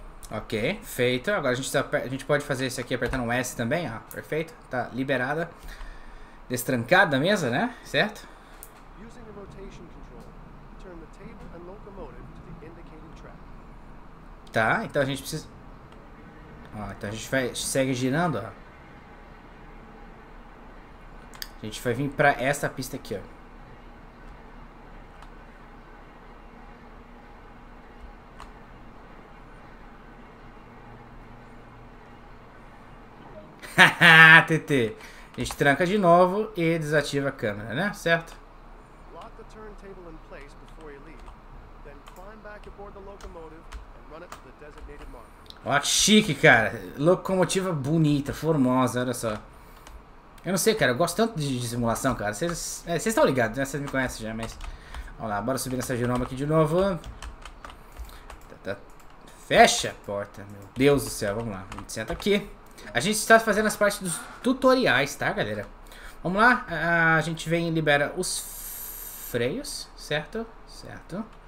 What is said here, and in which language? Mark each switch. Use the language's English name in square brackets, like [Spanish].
[Portuguese] Ok, feito. Agora a gente pode fazer isso aqui apertando um S também, ó. Perfeito. Tá liberada. Destrancada a mesa, né? Certo? [English] Using the rotation control, turn the table and locomotive to the indicated track. [Portuguese] Tá, então a gente precisa. Ó, então a gente vai. Segue girando, ó. A gente vai vir pra essa pista aqui, ó. TT, a gente tranca de novo e desativa a câmera, né? Certo? [English] Lock the turntable in place before you leave. Then climb back aboard the locomotive and run it to the designated marker. [Portuguese] Olha que chique, cara. Locomotiva bonita, formosa, olha só. Eu não sei, cara, eu gosto tanto de simulação, cara. Vocês estão ligados, né? Vocês me conhecem já, mas. Vamos lá, bora subir nessa genoma aqui de novo. Fecha a porta, meu Deus do céu. Vamos lá, a gente senta aqui. A gente está fazendo as partes dos tutoriais, tá, galera? Vamos lá, a gente vem e libera os freios, certo? Certo.